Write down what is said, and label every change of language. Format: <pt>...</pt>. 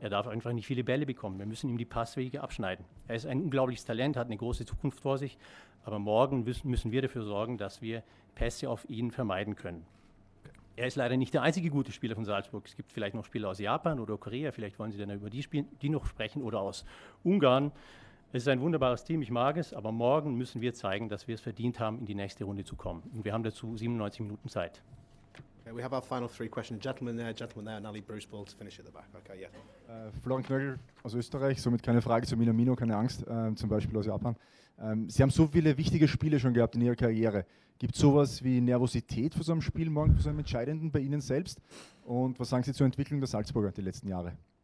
<de>Er darf einfach nicht viele Bälle bekommen. Wir müssen ihm die Passwege abschneiden. Er ist ein unglaubliches Talent, hat eine große Zukunft vor sich, aber morgen müssen wir dafür sorgen, dass wir Pässe auf ihn vermeiden können. Er ist leider nicht der einzige gute Spieler von Salzburg. Es gibt vielleicht noch Spieler aus Japan oder Korea. Vielleicht wollen Sie dann über die noch sprechen oder aus Ungarn. Es ist ein wunderbares Team, ich mag es, aber morgen müssen wir zeigen, dass wir es verdient haben, in die nächste Runde zu kommen. Und wir haben dazu 97 Minuten Zeit.</de> <en>Okay, we have our final three questions. Gentlemen there, Nally Bruce Ball to finish at the back. Okay, yeah.</en> <de>Florian Knöchel aus Österreich, somit keine Frage zu Minamino, keine Angst, zum Beispiel aus Japan. Sie haben so viele wichtige Spiele schon gehabt in Ihrer Karriere. Gibt es sowas wie Nervosität vor so einem Spiel morgen, vor so einem Entscheidenden bei Ihnen selbst? Und was sagen Sie zur Entwicklung der Salzburger die letzten Jahre?</de>